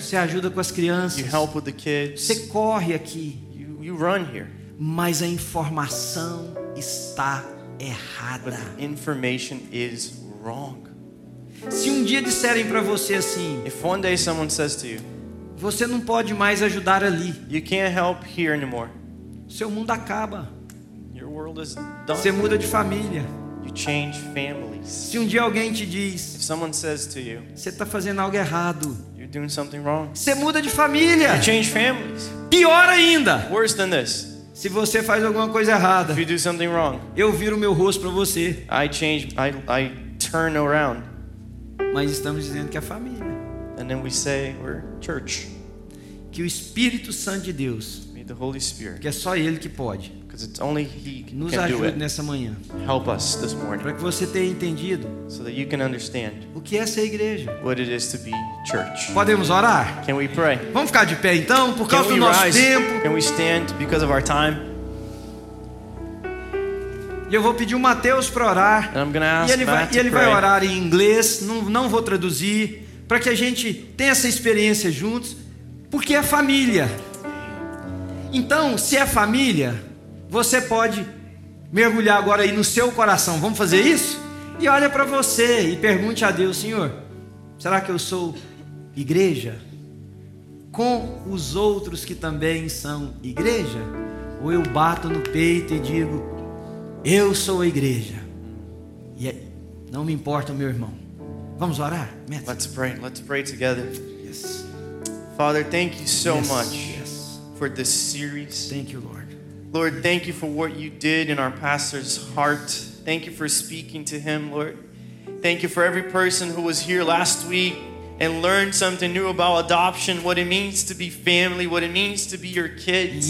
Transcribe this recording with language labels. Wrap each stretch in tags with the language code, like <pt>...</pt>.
<pt>Você ajuda com as crianças.</pt> <en>You help with the kids.</en> <pt>Você corre aqui.</pt> <en>You run here.</en> <pt>Mas a informação está errada.</pt> <en>But the information is wrong.</en> <pt>Se dia disserem para você assim,</pt> <en>if one day someone says to you,</en> <pt>você não pode mais ajudar ali.</pt> <en>You can't help here anymore.</en> <pt>Seu mundo acaba.</pt> <en>Your world is done.</en> <pt>Você muda de família.</pt> <en>You change families.</en> <pt>Se dia alguém te diz,</pt> <en>if someone says to you,</en> <pt>você está fazendo algo errado.</pt> <en>You're doing something wrong.</en> <pt>Você muda de família.</pt> <en>You change families.</en> <pt>Pior ainda.</pt> <en>Worse than this.</en> <pt>Se você faz alguma coisa errada,</pt> <en>if you do something wrong,</en> <pt>eu viro meu rosto para você.</pt> <en>I change. I turn around.</en> <pt>Mas estamos dizendo que é família.</pt> <en>And then we say we're church.</en> <pt>Que o Espírito Santo de Deus,</pt> <en>may the Holy Spirit,</en> <pt>que é só Ele que pode,</pt> <en>because it's only He can do it,</en> <pt>nos ajude nessa manhã.</pt> <en>Help us this morning.</en> <pt>Para que você tenha entendido,</pt> <en>so that you can understand,</en> <pt>o que é ser igreja.</pt> <en>What it is to be church.</en> <pt>Podemos orar?</pt> <en>Can we pray?</en> <pt>Vamos ficar de pé então, por causa do nosso tempo.</pt> <en>Can we stand because of our time?</en> <pt>Eu vou pedir o Mateus para orar.</pt> <en>And I'm gonna ask</en> <pt>ele vai orar em inglês. Não vou traduzir. Para que a gente tenha essa experiência juntos, porque é família. Então, se é família, você pode mergulhar agora aí no seu coração. Vamos fazer isso? E olha para você e pergunte a Deus: Senhor, será que eu sou igreja? Com os outros que também são igreja? Ou eu bato no peito e digo: eu sou a igreja. E não me importa o meu irmão. Vamos orar?</pt> <en>Let's pray. Let's pray together. Yes. Father, thank you so much. Yes. For this series. Thank you, Lord. Lord, thank you for what you did in our pastor's heart. Thank you for speaking to him, Lord. Thank you for every person who was here last week and learned something new about adoption, what it means to be family, what it means to be your kids.</en>